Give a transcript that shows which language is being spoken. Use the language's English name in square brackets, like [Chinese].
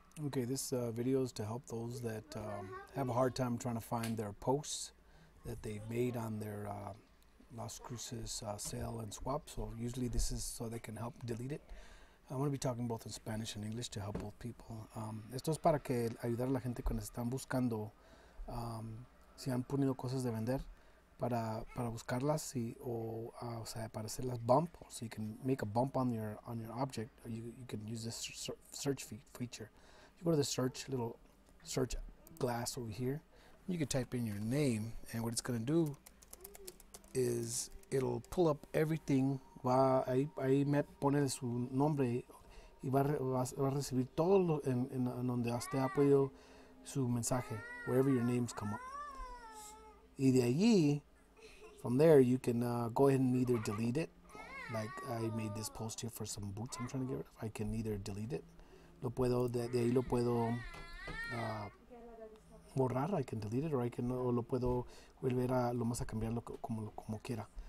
[English] Okay, this video is to help those that have a hard time trying to find their posts that they've made on their Las Cruces sale and swap. So usually this is so they can help delete it. I'm going to be talking both in Spanish and English to help both people. [Spanish] Esto es para que ayudar a la gente cuando están buscando si han ponido cosas de vender para buscarlas y, o sea, para hacerlas bump. [English] So you can make a bump on your object. Or you can use this search feature. Go to the search little search glass over here. You can type in your name, and what it's going to do is it'll pull up everything. [Spanish] Va ahí me pone su nombre y va a recibir todo lo, en donde usted ha podido su mensaje, wherever your names come up. [English] Y de allí, from there, you can go ahead and either delete it. Like I made this post here for some boots I'm trying to get rid of. I can either delete it. [Spanish] Lo puedo, de ahí lo puedo borrar, I can delete it, or I can, o lo puedo volver a, lo más a cambiarlo como quiera.